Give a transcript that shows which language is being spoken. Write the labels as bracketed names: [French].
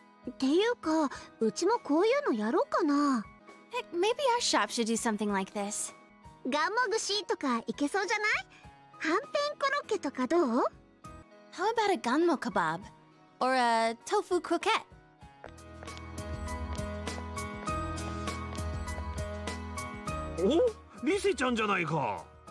[Japanese] っていうか、うちもこういうのやろうかな。 [English] Heck, maybe our shop should do something like this. [Japanese] ガンモグシとかいけそうじゃない？はんぺんコロッケとかどう？ [English] How about a ganmo kebab? Or a tofu croquette? [Japanese] お、リセちゃんじゃないか。